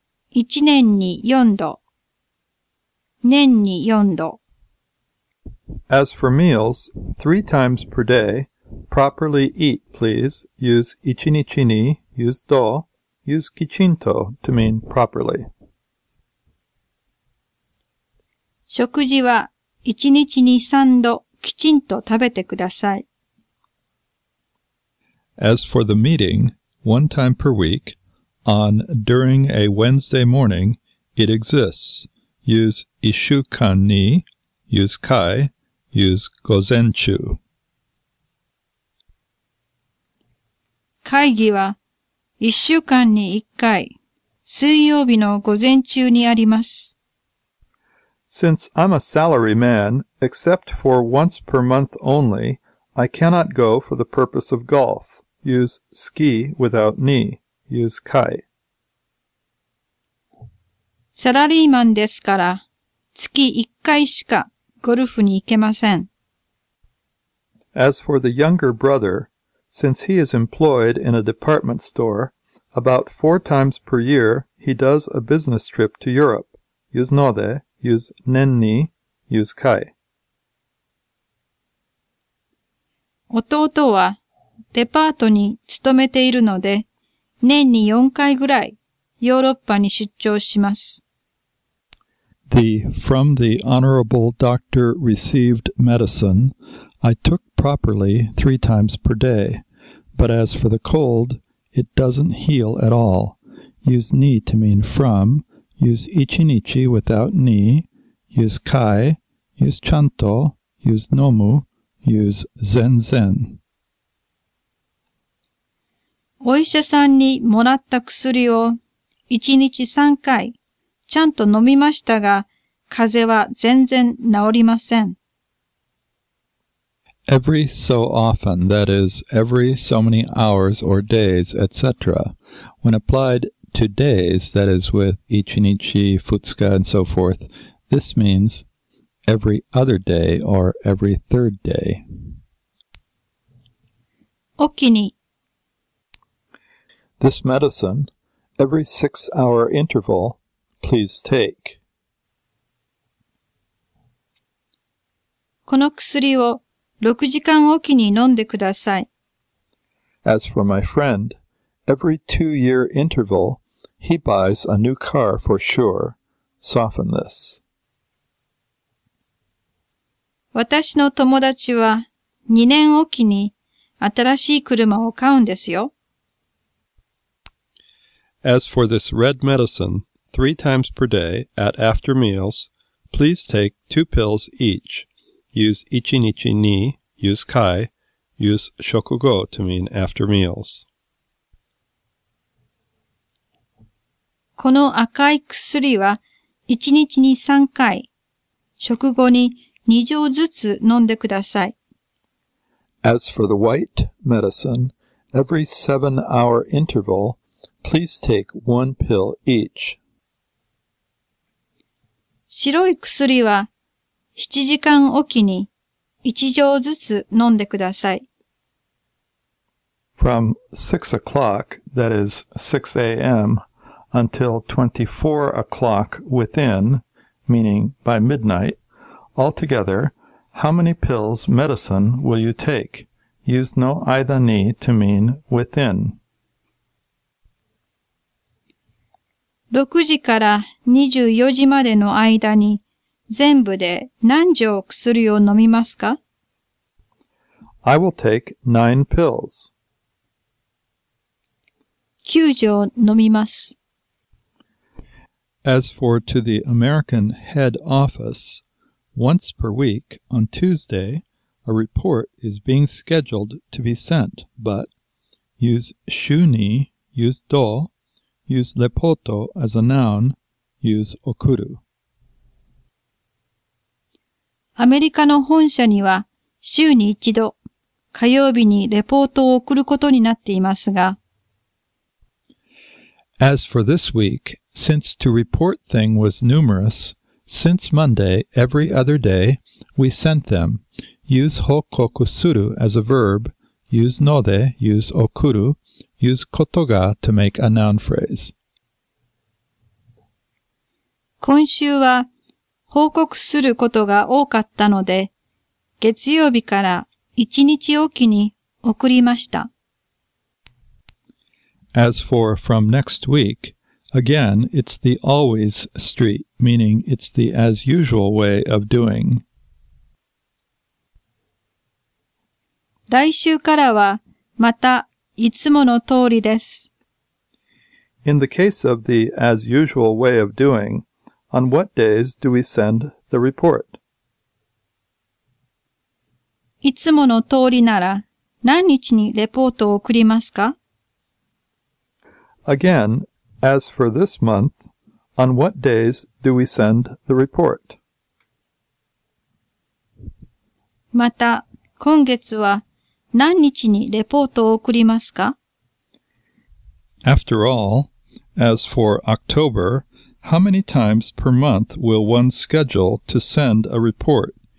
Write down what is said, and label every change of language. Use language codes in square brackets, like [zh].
[ja] 一年に四度。年に四度。 [en] As for meals, three times per day,Properly eat, please. Use 一日に, ni, use 度, use きちんと to mean properly. [ja] 食事は一日に三度きちんと食べてください。 [en] As for the meeting, one time per week, on during a Wednesday morning, it exists. Use 一週間に, use 回, use 午前中。 [ja] 会議は一週間に一回、水曜日の午前中にあります。 [en] Since I'm a salary man, except for once per month only, I cannot go for the purpose of golf. Use ski without knee. Use kai. [ja] サラリーマンですから、月一回しかゴルフに行けません。 [en] As for the younger brother,Since he is employed in a department store, about four times per year, he does a business trip to Europe. Use ので, use 年に, use kai. [ja] 弟はデパートに勤めているので、年に4回ぐらいヨーロッパに出張します。 [en] The from the honorable doctor received medicine, I took properly 3 times per day. But as for the cold, it doesn't heal at all. Use ni to mean from, use ichinichi without ni, use kai, use chanto, use nomu, use zen zen. [ja] お医者さんにもらった薬を1日3回ちゃんと飲みましたが、風邪は全然治りません。 [en] Every so often, that is, every so many hours or days, etc. When applied to days, that is, with ichinichi, futsuka, and so forth, this means every other day or every third day. [ja] おきに。 [en] This medicine, every 6-hour interval, please take. [ja] この薬を6時間おきに飲んでください。 [en] As for my friend, every 2-year interval, he buys a new car for sure. Soften this. [ja] 私の友達は2年おきに新しい車を買うんですよ。 [en] As for this red medicine, 3 times per day at after meals, please take 2 pills each. Use ichinichi ni, use kai, use shokugo to mean after meals. [ja] この赤い薬は1日に3回、食後に2錠ずつ飲んでください。 [en] As for the white medicine, every 7-hour interval, please take 1 pill each. [ja] 白い薬は7時間おきに1錠ずつ飲んでください。 [en] From 6 o'clock, that is 6 a.m., until 24 o'clock within, meaning by midnight, altogether, how many pills medicine will you take? Use no aida ni to mean within. [ja] 6時から24時までの間に全部で何錠薬を飲みますか? [en] I will take 9 pills. [ja] 9錠飲みます。 [en] As for to the American head office, once per week on Tuesday, a report is being scheduled to be sent, but use shuni, use do, use lepoto as a noun, use okuru. [ja] アメリカの本社には週に一度火曜日にレポートを送ることになっていますが、 [en] As for this week, since to report thing was numerous, since Monday, every other day, we sent them. Use hokoku suru as a verb, use node, use okuru, use kotoga to make a noun phrase. [ja] 今週は報告することが多かったので、月曜日から一日おきに送りました。 [en] As for from next week, again, it's the always street, meaning it's the as usual way of doing. [ja] 来週からはまたいつもの通りです。 [en] In the case of the as usual way of doing, on what days do we send the report? [ja] いつもの通りなら何日にレポートを送りますか? [en] Again, as for this month, on what days do we send the report? [ja] また、今月は何日にレポートを送りますか? [en] After all, as for October, how many times per month will one schedule to send a report?